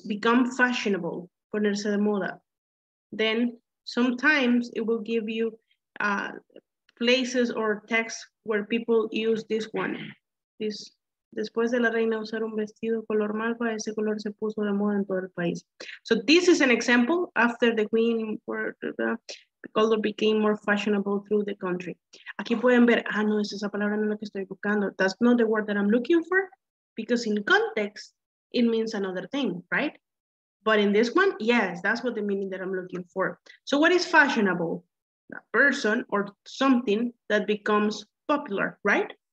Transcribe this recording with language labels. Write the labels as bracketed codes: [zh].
[en] Become fashionable, [es] ponerse de moda. [en] Then sometimes it will give you places or texts where people use this one. [es] This, después de la reina usar un vestido color malva, ese color se puso de moda en todo el país. [en] So this is an example after the queen wore the color became more fashionable through the country. [es] Aquí pueden ver, ah, no, es esa palabra, no es lo que estoy buscando. [en] That's not the word that I'm looking for, because in context, it means another thing, right? But in this one, yes, that's what the meaning that I'm looking for. So what is fashionable? A person or something that becomes popular, right?